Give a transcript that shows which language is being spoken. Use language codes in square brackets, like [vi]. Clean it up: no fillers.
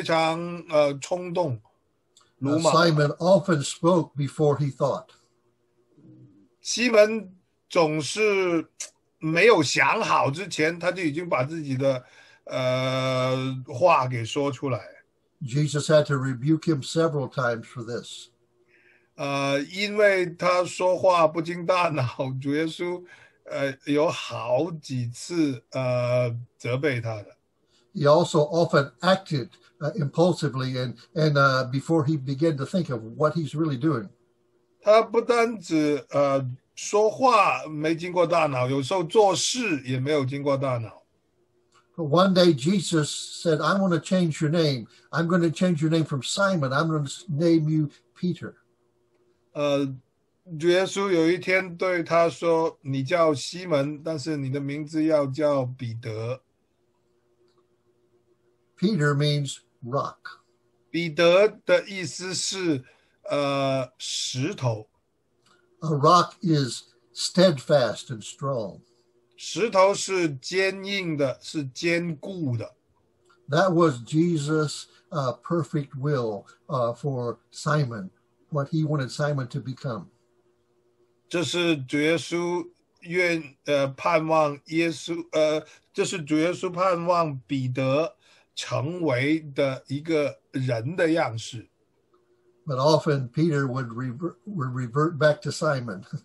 [zh] 彼得，如果我们从福音书的经文来看的话，我们会发现他是一个冲动的人，那个也是很热情的一个人，但是非常冲动，鲁莽。Simon [en] often spoke before he thought. [zh] 西门总是没有想好之前，他就已经把自己的 [en] Jesus had to rebuke him several times for this. [zh] 因为他说话不经大脑，主耶稣有好几次责备他的。 [en] He also often acted impulsively and before he began to think of what he's really doing. [zh] 他不单只说话没经过大脑，有时候做事也没有经过大脑。 [en] One day Jesus said, I'm going to change your name. I'm going to change your name from Simon. I'm going to name you Peter. [zh] 主耶稣有一天对他说，你叫西门，但是你的名字要叫彼得。 [en] Peter means rock. [zh] 彼得的意思是石头。 [en] A rock is steadfast and strong. [zh] 石头是坚硬的，是坚固的。 [en] That was Jesus' perfect will for Simon, what he wanted Simon to become. [zh] 这是主耶稣愿盼望耶稣这是主耶稣盼望彼得成为的一个人的样式。 [en] But often Peter would revert back to Simon.